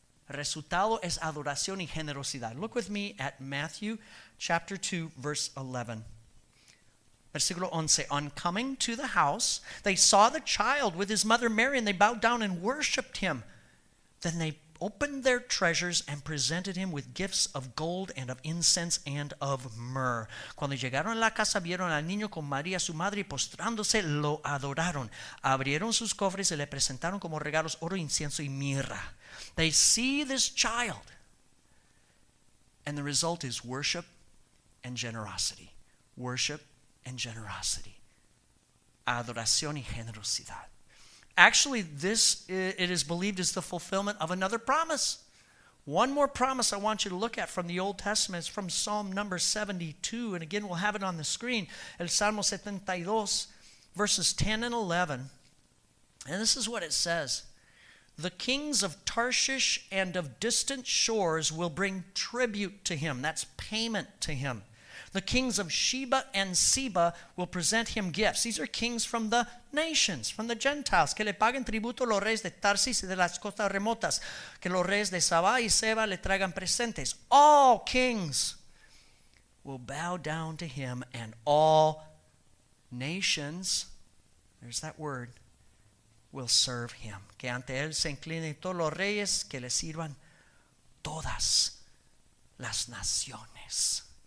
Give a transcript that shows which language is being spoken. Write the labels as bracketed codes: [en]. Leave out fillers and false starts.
[es] Resultado es adoración y generosidad. [en] Look with me at Matthew chapter 2, verse 11. [es] Versículo 11. [en] On coming to the house, they saw the child with his mother Mary, and they bowed down and worshipped him. Then they opened their treasures and presented him with gifts of gold and of incense and of myrrh. [es] Cuando llegaron a la casa, vieron al niño con María, su madre, y postrándose, lo adoraron. Abrieron sus cofres y le presentaron como regalos oro, incienso y mirra. [en] They see this child, and the result is worship and generosity. Worship and generosity. [es] Adoración y generosidad. [en] Actually, this, it is believed, is the fulfillment of another promise. One more promise I want you to look at from the Old Testament is from Psalm number 72. And again, we'll have it on the screen. [es] El Salmo 72, [en] verses 10 and 11. And this is what it says. The kings of Tarshish and of distant shores will bring tribute to him. That's payment to him. The kings of Sheba and Seba will present him gifts. These are kings from the nations, from the Gentiles. [es] Que le paguen tributo los reyes de Tarsis y de las costas remotas. Que los reyes de Saba y Seba le traigan presentes. [en] All kings will bow down to him, and all nations, there's that word, will serve him. [es] Que ante él se inclinen todos los reyes que le sirvan todas las naciones.